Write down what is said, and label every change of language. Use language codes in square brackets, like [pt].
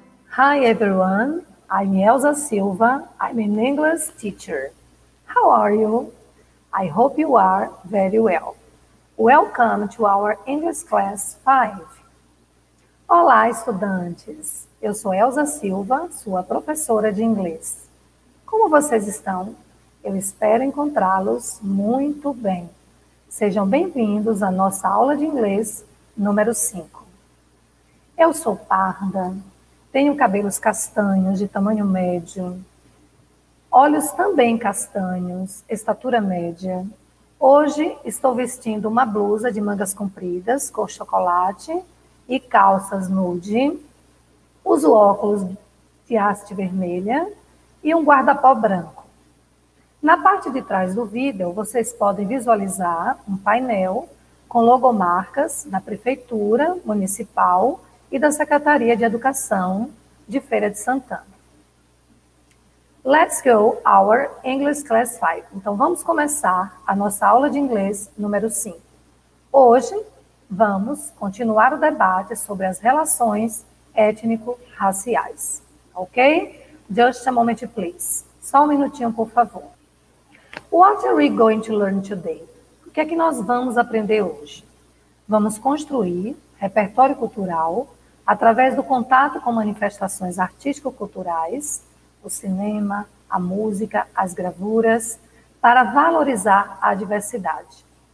[en] Hi everyone, I'm Elsa Silva. I'm an English teacher. How are you? I hope you are very well. Welcome to our English Class 5. [pt] Olá, estudantes. Eu sou Elsa Silva, sua professora de inglês. Como vocês estão? Eu espero encontrá-los muito bem. Sejam bem-vindos à nossa aula de inglês número 5. Eu sou parda. Tenho cabelos castanhos de tamanho médio, olhos também castanhos, estatura média. Hoje estou vestindo uma blusa de mangas compridas, cor chocolate e calças nude. Uso óculos de haste vermelha e um guarda-pó branco. Na parte de trás do vídeo, vocês podem visualizar um painel com logomarcas da Prefeitura Municipal e da Secretaria de Educação de Feira de Santana. [en] Let's go our English class 5. [pt] Então vamos começar a nossa aula de inglês número 5. Hoje vamos continuar o debate sobre as relações étnico-raciais. Ok? [en] Just a moment, please. [pt] Só um minutinho, por favor. [en] What are we going to learn today? [pt] O que é que nós vamos aprender hoje? Vamos construir repertório cultural através do contato com manifestações artístico-culturais, o cinema, a música, as gravuras, para valorizar a diversidade.